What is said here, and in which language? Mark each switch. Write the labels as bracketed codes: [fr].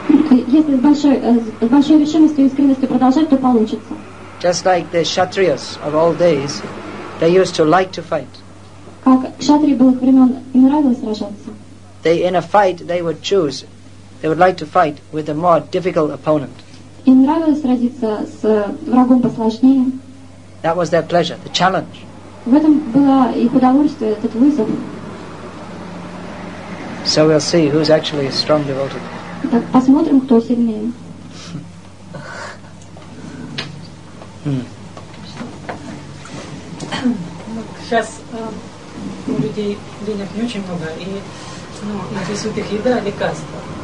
[ru] Если с большой решимостью и искренностью продолжать, то получится. [en] Just like the kshatriyas of old days, they used to like to fight. [ru] Как кшатрии былых времен им нравилось сражаться. [en] They in a fight they would choose, they would like to fight with a more difficult opponent. [ru] Им нравилось сразиться с врагом посложнее. [en] That was their pleasure, the challenge. [ru] В этом было их удовольствие, этот вызов. [en] So we'll see who's actually a strong devotee. [ru] Так посмотрим, кто сильнее. Сейчас у людей денег не очень много, и интересует их еда, лекарства.